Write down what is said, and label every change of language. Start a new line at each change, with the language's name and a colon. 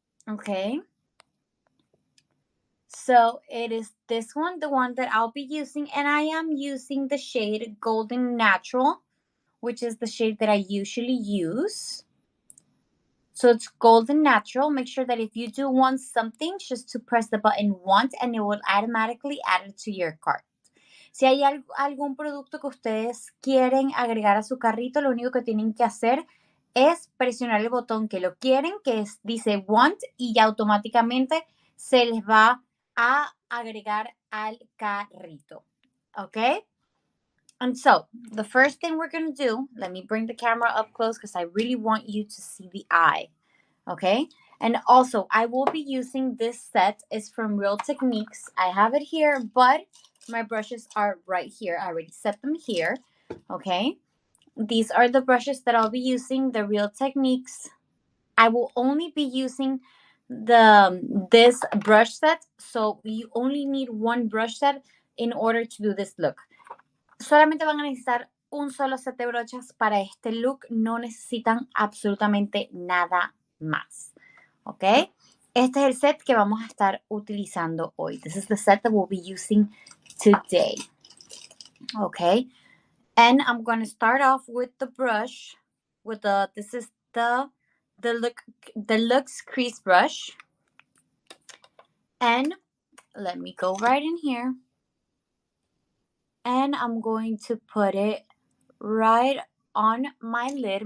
English: Okay, so it is this one, the one that I'll be using, and I am using the shade Golden Natural, which is the shade that I usually use. So it's Golden Natural. Make sure that if you do want something, just to press the button once, and it will automatically add it to your cart.
Spanish: Si hay algún producto que ustedes quieren agregar a su carrito, lo único que tienen que hacer es presionar el botón que lo quieren, que es, dice want, y ya automáticamente se les va a agregar al carrito.
English: Okay? And so, the first thing we're going to do, let me bring the camera up close because I really want you to see the eye. Okay? And also, I will be using this set. It's from Real Techniques. I have it here, but my brushes are right here. I already set them here. Okay? These are the brushes that I'll be using, the Real Techniques. I will only be using this brush set. So you only need one brush set in order to do this look.
Spanish: Solamente van a necesitar un solo set de brochas para este look. No necesitan absolutamente nada más. Okay? Este es el set que vamos a estar utilizando hoy.
English: This is the set that we'll be using today. Okay? And I'm going to start off with the brush, with the, this is the Luxe Crease Brush. And let me go right in here. And I'm going to put it right on my lid.